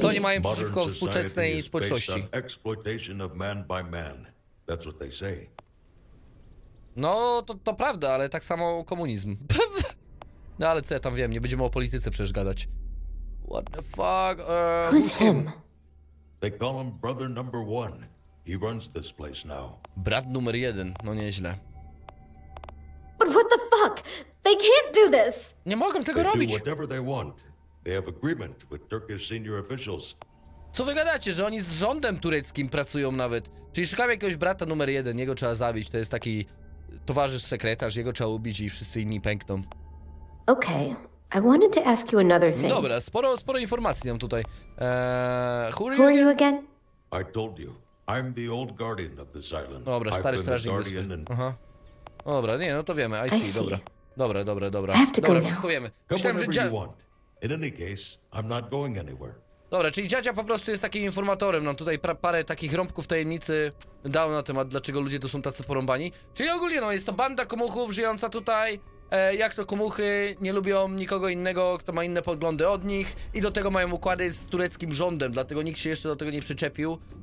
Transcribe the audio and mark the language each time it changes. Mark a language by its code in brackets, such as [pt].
[pl] Co oni mają przeciwko współczesnej społeczności? [en] Exploitation of man by man. That's what they say. [pl] No, to prawda, ale tak samo komunizm. No ale co ja tam wiem, nie będziemy o polityce przecież gadać. [en] What the fuck? Who's him? They call him brother number one. He runs this place now. [pl] Brat numer jeden, no nieźle. [en] But what the fuck? They can't do this! [pl] Nie mogą tego [en] they [pl] robić! [en] They do whatever they want. They have agreement with Turkish senior officials. [pl] Co wy gadacie, że oni z rządem tureckim pracują nawet? Czyli szukamy jakiegoś brata numer jeden, jego trzeba zabić. To jest taki towarzysz sekretarz, jego trzeba ubić i wszyscy inni pękną. [en] Okay, I wanted to ask you another thing. [pl] Dobra, sporo informacji mam tutaj. [en] Who are you again? I told you, I'm the old guardian of this island. [pl] Dobra, stary strażnik wyspy. Aha. Dobra, nie, no to wiemy, [en] I see. [pl] Dobra. Dobra. [en] I have to go [pl] dobra, [en] now. [pl] Wszystko wiemy. Myślałem, że dziadzia... [en] In any case, I'm not going anywhere. [pl] Dobra, czyli dziadzia po prostu jest takim informatorem. Nam tutaj parę takich rąbków tajemnicy dał na temat, dlaczego ludzie tu są tacy porąbani. Czyli ogólnie, no, jest to banda komuchów żyjąca tutaj. Jak to komuchy nie lubią nikogo innego, kto ma inne poglądy od nich. I do tego mają układy z tureckim rządem, dlatego nikt się jeszcze do tego nie przyczepił.